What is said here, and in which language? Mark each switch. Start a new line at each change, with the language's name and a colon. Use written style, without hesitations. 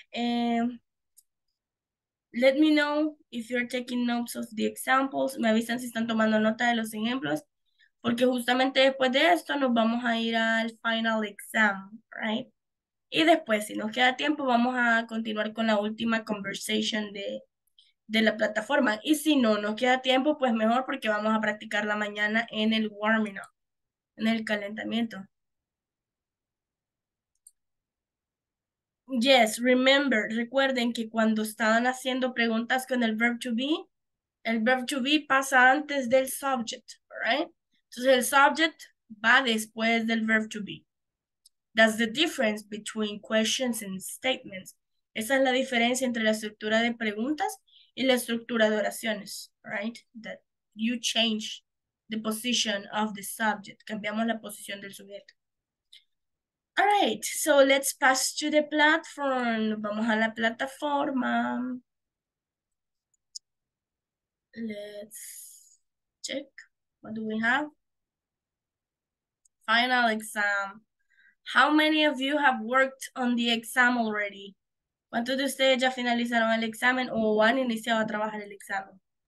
English: Let me know if you're taking notes of the examples.
Spanish: Me avisan si están tomando nota de los ejemplos. Porque justamente después de esto, nos vamos a ir al final exam, right? All Y después, si nos queda tiempo, vamos a continuar con la última conversation de la plataforma. Y si no nos queda tiempo, pues mejor, porque vamos a practicar la mañana en el warming up, en el calentamiento.
English: Yes, remember,
Spanish: recuerden que cuando estaban haciendo preguntas con el verb to be pasa antes del subject, right? Entonces el subject va después del
English: verb to be. That's the difference between questions and statements.
Spanish: Esa es la diferencia entre la estructura de preguntas y la estructura de oraciones, right?
English: That you change the position of the subject.
Spanish: Cambiamos la posición del sujeto.
English: All right, so let's pass to the platform.
Spanish: Vamos a la plataforma.
English: Let's check. What do we have? Final exam. How many of you have worked on the exam already?
Spanish: ¿Cuántos de ustedes ya finalizaron el examen o han iniciado a trabajar el examen?